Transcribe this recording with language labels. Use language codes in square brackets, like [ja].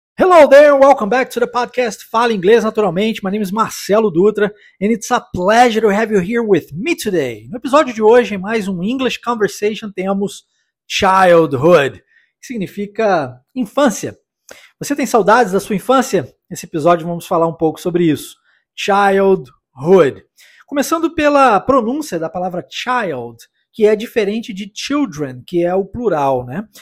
[en] Hello there, welcome back to the podcast Fala Inglês Naturalmente. My name is Marcelo Dutra, and it's a pleasure to have you here with me today. [pt] No episódio de hoje, em mais um English Conversation, temos Childhood, que significa infância. Você tem saudades da sua infância? Nesse episódio vamos falar um pouco sobre isso. Childhood. Começando pela pronúncia da palavra child, que é diferente de children, que é o plural, né?